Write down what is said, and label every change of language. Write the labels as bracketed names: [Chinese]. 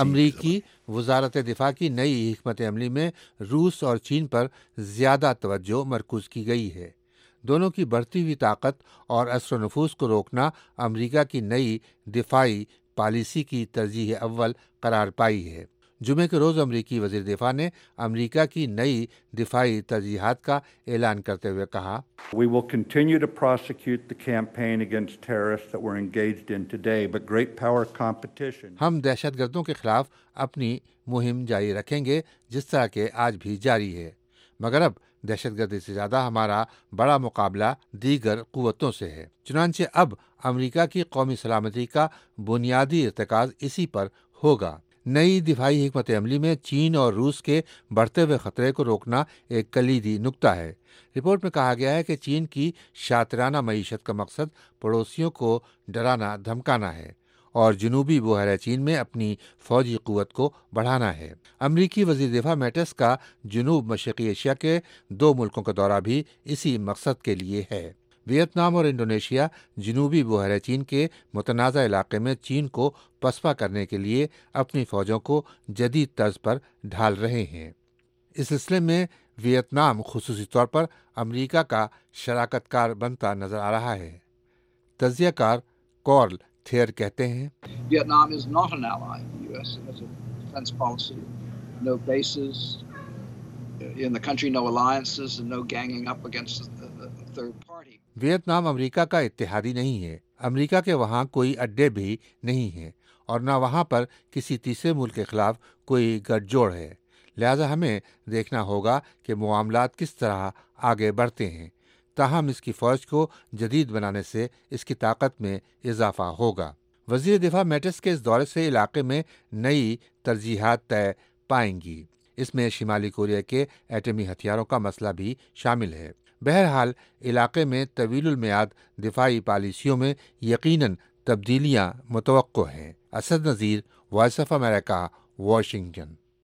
[Urdu] امریکی وزارت دفاع کی نئی حکمت عملی میں روس اور چین پر زیادہ توجہ مرکوز کی گئی ہے. دونوں کی بڑھتی ہوئی طاقت اور اثر و نفوذ کو روکنا امریکہ کی نئی دفاعی پالیسی کی ترجیح اول قرار پائی ہے. جمعے کے روز امریکی وزیر دفاع نے امریکہ کی نئی دفاعی ترجیحات کا اعلان کرتے ہوئے کہا, [English] We will continue to prosecute the campaign against terrorists that we're engaged in today, but great power competition. [Urdu] ہم دہشت گردوں کے خلاف اپنی مہم جاری رکھیں گے جس طرح کہ آج بھی جاری ہے, مگر اب دہشت گردی سے زیادہ ہمارا بڑا مقابلہ دیگر قوتوں سے ہے۔ چنانچہ اب امریکہ کی قومی سلامتی کا بنیادی ارتکاز اسی پر ہوگا۔ نئی دفاعی حکمت عملی میں چین اور روس کے بڑھتے ہوئے خطرے کو روکنا ایک کلیدی نقطہ ہے۔ رپورٹ میں کہا گیا ہے کہ چین کی شاطرانہ معیشت کا مقصد پڑوسیوں کو ڈرانا دھمکانا ہے اور جنوبی بحیرہ چین میں اپنی فوجی قوت کو بڑھانا ہے۔ امریکی وزیر دفاع میٹس کا جنوب مشرقی ایشیا کے دو ملکوں کا دورہ بھی اسی مقصد کے لیے ہے۔ ویتنام اور انڈونیشیا جنوبی بحیرہ چین کے متنازع علاقے میں چین کو پسپا کرنے کے لیے اپنی فوجوں کو جدید طرز پر ڈھال رہے ہیں۔ اس سلسلے میں ویتنام خصوصی طور پر امریکہ کا شراکت کار بنتا نظر آ رہا ہے۔ تجزیہ کار کارل تھیئر کہتے ہیں، [English] Vietnam is not an Allai in the U S as a defence policy, know bases in the country, know alliances and know گینگنگ up against third party. [Urdu] Vietnam امریکہ کا اتحادی نہیں ہے، امریکہ کے وہاں کوئی اڈے بھی نہیں ہیں اور نہ وہاں پر کسی تیسرے ملک کے خلاف کوئی گٹھ جوڑ ہے۔ لہذا ہمیں دیکھنا ہوگا کہ معاملات کس طرح آگے بڑھتے ہیں، تاہم اس کی فوج کو جدید بنانے سے اس کی طاقت میں اضافہ ہوگا۔ وزیر دفاع میٹس کے اس دورے سے علاقے میں نئی ترجیحات طے پائیں گی، اس میں شمالی کوریا کے ایٹمی ہتھیاروں کا مسئلہ بھی شامل ہے۔ بہرحال علاقے میں طویل المیاد دفاعی پالیسیوں میں یقیناً تبدیلیاں متوقع ہیں۔ Asad Nazir, voice of America, Washington.